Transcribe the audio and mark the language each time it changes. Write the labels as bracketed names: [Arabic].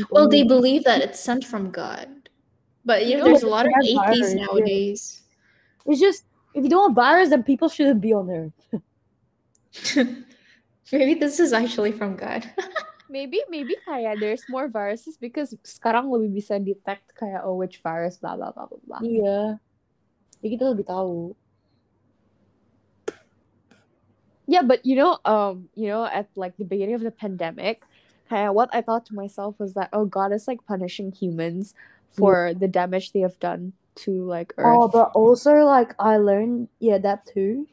[English] Well, they believe that it's sent from God, but you know, there's a lot of atheists nowadays. Yeah. It's just if you don't have virus, then people shouldn't be on Earth. Maybe this is actually from God. maybe kaya there's more viruses because [Indonesian] sekarang lebih bisa detect kaya [English] oh which virus blah blah blah blah. [Indonesian] Yeah, jadi kita lebih tahu. [English] Yeah, but you know, at like the beginning of the pandemic, kaya, what I thought to myself was that, oh, God is like punishing humans for the damage they have done to like Earth. Oh, but also like I learned, yeah, that too.